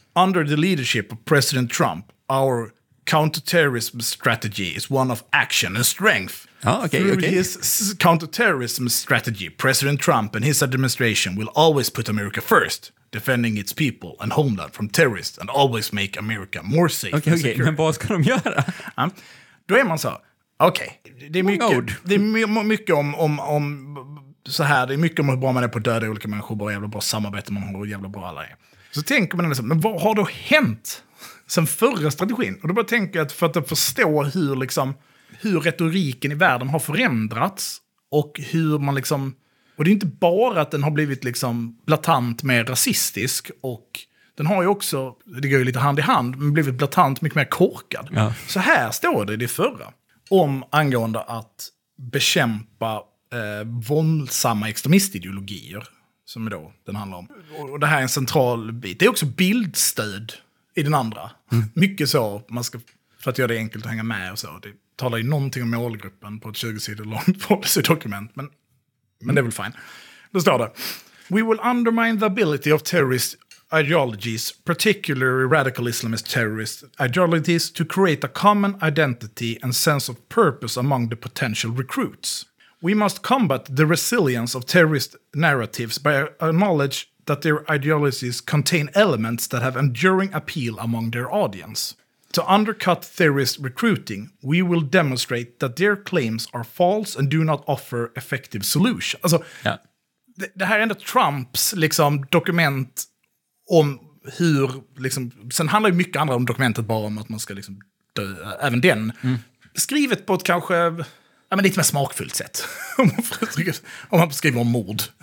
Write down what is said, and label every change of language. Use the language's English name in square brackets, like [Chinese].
[English] Under the leadership of President Trump, our counterterrorism strategy is one of action and strength. His counterterrorism strategy, President Trump and his administration will always put America first, defending its people and homeland from terrorists, and always make America more safe. [Swedish] Men vad ska de göra? Då är man så. Det är mycket mode. Det är mycket om så här, det är mycket om hur bra man är på att döda olika människor, bara jävla bra samarbete man har, jävla bra alla är. Så tänker man liksom, men vad har då hänt sen förra strategin? Och då bara tänker jag att för att förstå hur liksom hur retoriken i världen har förändrats och hur man liksom, och det är inte bara att den har blivit liksom blatant mer rasistisk, och den har ju också, det går ju lite hand i hand, men blivit blatant mycket mer korkad. Ja. Så här står det i det förra om angående att bekämpa våldsamma extremistideologier som då den handlar om. Och det här är en central bit. Det är också bildstöd i den andra. Mycket så, man ska, för att göra det enkelt att hänga med och så. Det talar ju någonting om målgruppen på ett 20-sidor långt policydokument, men det är väl fine. Då står det: [English] we will undermine the ability of terrorist ideologies, particularly radical Islamist terrorist ideologies, to create a common identity and sense of purpose among the potential recruits. We must combat the resilience of terrorist narratives by a knowledge that their ideologies contain elements that have enduring appeal among their audience. To undercut terrorist recruiting, we will demonstrate that their claims are false and do not offer effective solutions. [Swedish] Alltså, det här är ändå Trumps liksom dokument om hur liksom, sen handlar ju mycket andra om dokumentet, bara om att man ska liksom dö, även den. Skrivet på ett kanske, ja, men lite mer smakfullt sätt. Om man skriver om mord.